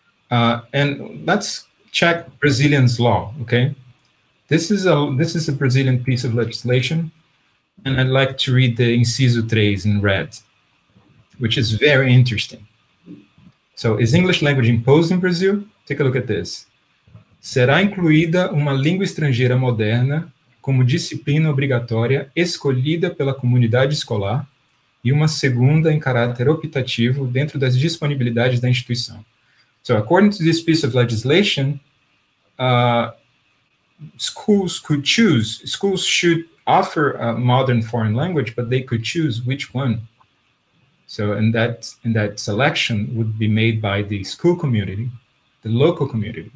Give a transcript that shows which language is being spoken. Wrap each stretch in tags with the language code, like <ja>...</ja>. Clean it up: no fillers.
<en>And let's check Brazilian's law, okay? This is a Brazilian piece of legislation, and I'd like to read the inciso 3 in red, which is very interesting. So, is English language imposed in Brazil? Take a look at this.</en> <pt>Será incluída uma língua estrangeira moderna como disciplina obrigatória escolhida pela comunidade escolar e uma segunda em caráter optativo dentro das disponibilidades da instituição.</pt> <en>So, according to this piece of legislation, schools could choose. Schools should offer a modern foreign language, but they could choose which one. So, and that selection would be made by the school community, the local community.</en>